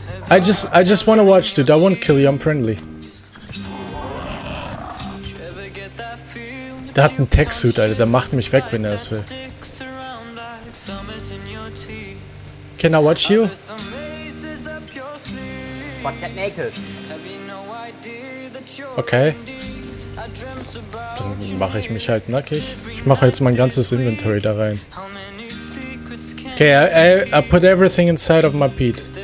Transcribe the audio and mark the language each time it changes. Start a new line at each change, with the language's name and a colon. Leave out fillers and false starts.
English: I just wanna watch, dude. I won't kill you. I'm friendly.
German: Der hat einen Tech-Suit, Alter. Der macht mich weg, wenn er es will.
English: Can I watch you?
German: Okay. Dann mache ich mich halt nackig. Ich mache jetzt mein ganzes Inventory da rein.
English: Okay, I put everything inside of my Pete.